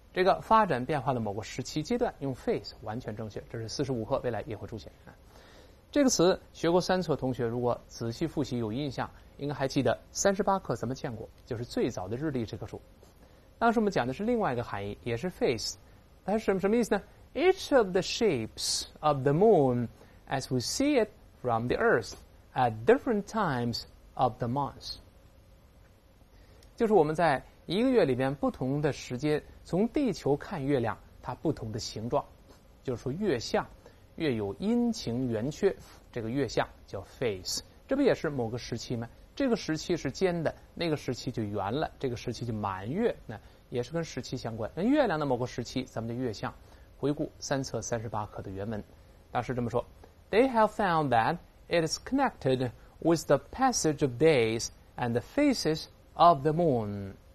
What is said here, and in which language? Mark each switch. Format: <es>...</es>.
<zh>这个发展变化的某个时期阶段用 phase 完全正确，这是45课未来也会出现。这个词学过三册同学如果仔细复习有印象，应该还记得38课咱们见过，就是最早的日历这棵树。当时我们讲的是另外一个含义，也是 phase， 它是什么意思呢？</zh> <en>Each of the shapes of the moon as we see it from the earth at different times of the month，</en> <zh>就是我们在一个月里面不同的时间，从地球看月亮，它不同的形状，就是说月相月有阴晴圆缺，这个月相叫 phase。这不也是某个时期吗？这个时期是尖的，那个时期就圆了，这个时期就满月，那也是跟时期相关。那月亮的某个时期咱们的月相，回顾三册三十八课的原文，大师这么说：</zh> <en>They have found that it is connected with the passage of days and the phases of the moon。</en>